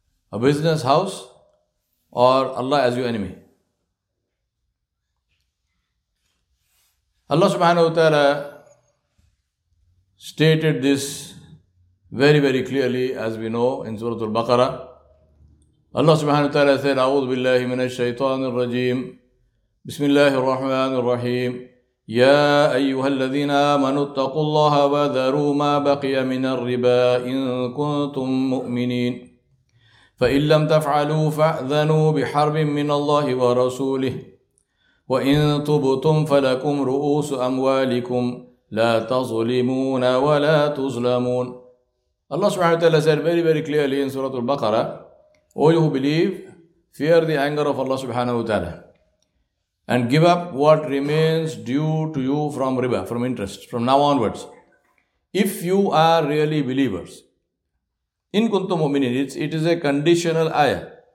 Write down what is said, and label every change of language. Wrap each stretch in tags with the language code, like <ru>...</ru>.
<en>A business, house, or Allah as your enemy? Allah subhanahu wa ta'ala stated this very, very clearly, as we know, in Surah Al-Baqarah. Allah subhanahu wa ta'ala said,</en> <ar>أعوذ بالله من الشيطان الرجيم بسم الله الرحمن الرحيم يا أيها الذين آمنوا اتقوا الله وذروا ما بقي من الربا إن كنتم مؤمنين فإن لم تفعلوا فأذنوا بحرب من الله ورسوله وإن تبتم فلكم رؤوس أموالكم لا تظلمون ولا تظلمون.</ar> <en>Allah subhanahu wa ta'ala said very, very clearly in Surah Al-Baqarah, all you who believe, fear the anger of Allah subhanahu wa ta'ala and give up what remains due to you from riba, from interest, from now onwards. If you are really believers, in kuntum mu'minin, it is a conditional ayah.</en>